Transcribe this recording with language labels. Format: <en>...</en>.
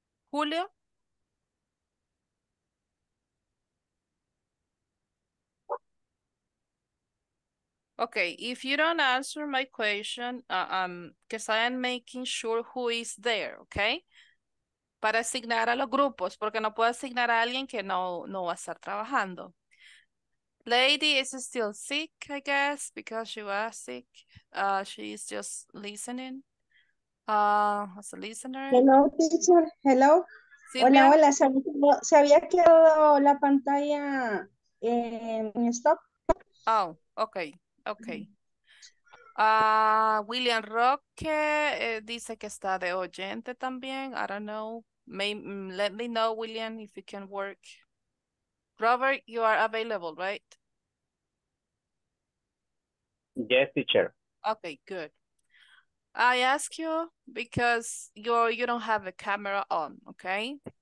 <en>Julio? Okay, if you don't answer my question, because I am making sure who is there, okay?</en> <es>Para asignar a los grupos, porque no puedo asignar a alguien que no va a estar trabajando.</es> <en>Lady is still sick, I guess, because she was sick. She is just listening as a listener. Hello, teacher. Hello. Silvia.</en> <es>Hola, hola. Se había quedado la pantalla en stop.</es> <en>Oh, okay. Okay.</en> <es>William Roque dice que está de oyente también.</es> <en>I don't know. Let me know, William, if you can work. Robert, you are available, right? Yes, teacher. Okay, good. I ask you because you don't have the camera on, okay?</en>